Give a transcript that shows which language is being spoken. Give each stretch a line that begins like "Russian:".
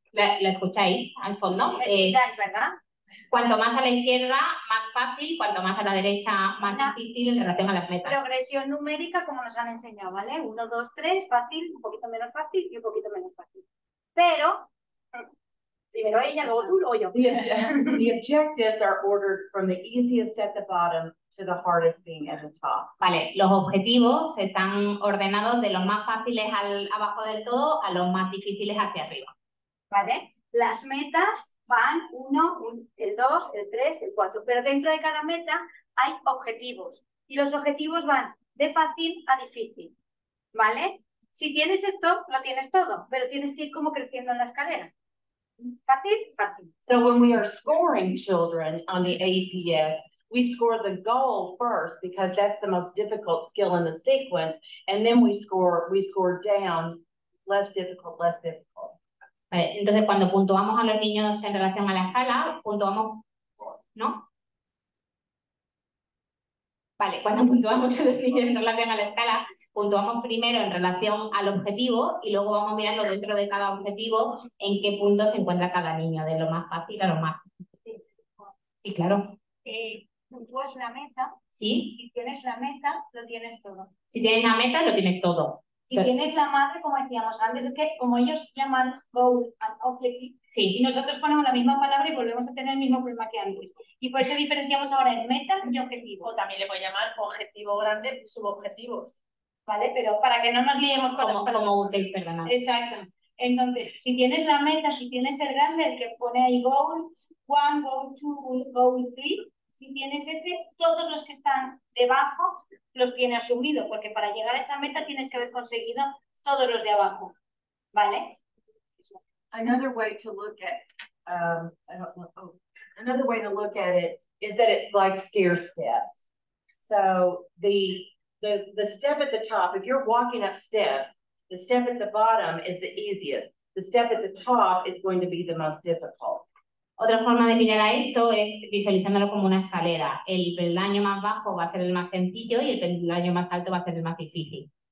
Spanish: ¿La escucháis al fondo? Escucháis, ¿verdad? Cuanto más a la izquierda, más fácil, cuanto más a la derecha, más difícil en relación a las metas. Progresión numérica, como nos han enseñado, ¿vale? 1, 2, 3, fácil, un poquito menos fácil y un poquito menos fácil. Pero, primero ella, luego tú o yo.
English: The objectives are ordered from the easiest at the bottom to the hardest being at the top.
Spanish: Vale, los objetivos están ordenados de los más fáciles al abajo del todo a los más difíciles hacia arriba. Vale, las metas van uno, el dos, el tres, el cuatro. Pero dentro de cada meta hay objetivos. Y los objetivos van de fácil a difícil. ¿Vale? Si tienes esto, lo tienes todo. Pero tienes que ir como creciendo en la escalera. Fácil, fácil.
English: So when we are scoring children on the APS, we score the goal first because that's the most difficult skill in the sequence. And then we score down less difficult, less difficult.
Spanish: Entonces, cuando puntuamos a los niños en relación a la escala, puntuamos, ¿no? Vale, cuando puntuamos a los niños en relación a la escala, puntuamos primero en relación al objetivo y luego vamos mirando dentro de cada objetivo en qué punto se encuentra cada niño, de lo más fácil a lo más difícil. Sí, claro. Puntúas la meta. Sí. Si tienes la meta, lo tienes todo. Si tienes la meta, lo tienes todo. Si tienes la madre, como decíamos antes, es que como ellos llaman
English: goal and objective,
Spanish: sí. Y nosotros ponemos la misma palabra y volvemos a tener el mismo problema que antes. Y por eso diferenciamos ahora en meta y objetivo. O también le puedo llamar objetivo grande, subobjetivos. ¿Vale? Pero para que no nos liemos con como, como útil, perdona. Exacto. Entonces, si tienes la meta, si tienes el grande, el que pone ahí
English: goal 1, goal 2, goal 3,
Spanish: si tienes ese, todos los que están debajo los tiene asumido, porque para llegar a esa meta tienes que haber conseguido todos los de abajo, ¿vale?
English: Another way to look at another way to look at it is that it's like stair steps. So the step at the top, if you're walking up steps, the step at the bottom is the easiest. The step at the top is going to be the most difficult.
Spanish: Otra forma de mirar a esto es visualizándolo como una escalera. El peldaño más bajo va a ser el más sencillo y el peldaño más alto va a ser el más difícil.